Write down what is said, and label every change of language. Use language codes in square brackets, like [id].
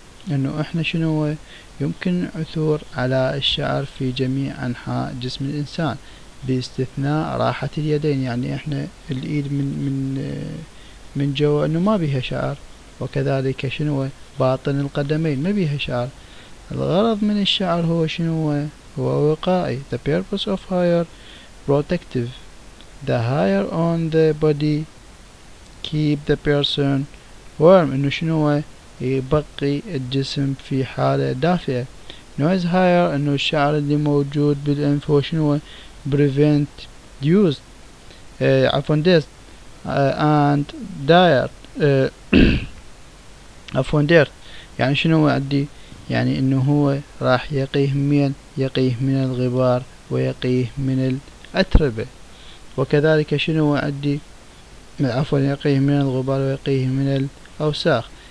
[ar] انه احنا شنو يمكن عثور على الشعر في جميع انحاء جسم الانسان باستثناء راحة اليدين، يعني احنا الايد من من من جوا انه ما بيها شعر، وكذلك شنو باطن القدمين ما بيها شعر. الغرض من الشعر هو شنو؟ هو وقائي. [en] The purpose of hair, protective. The hair on the body keep the person warm. [ar] إنه شنو؟ يبقي الجسم في حالة دافئة. [en] Noise hair [ar] إنه الشعر اللي موجود بالأنف هو شنو؟ [en] Prevent dust. [ar] عفوا [en] dust and dirt. [ar] عفوا [en] dirt. [ar] يعني شنو عندي؟ يعني إنه هو راح يقيه من الغبار ويقيه من الأتربة. وكذلك شنو عدي عفوا يقيه من الغبار ويقيه من الأوساخ.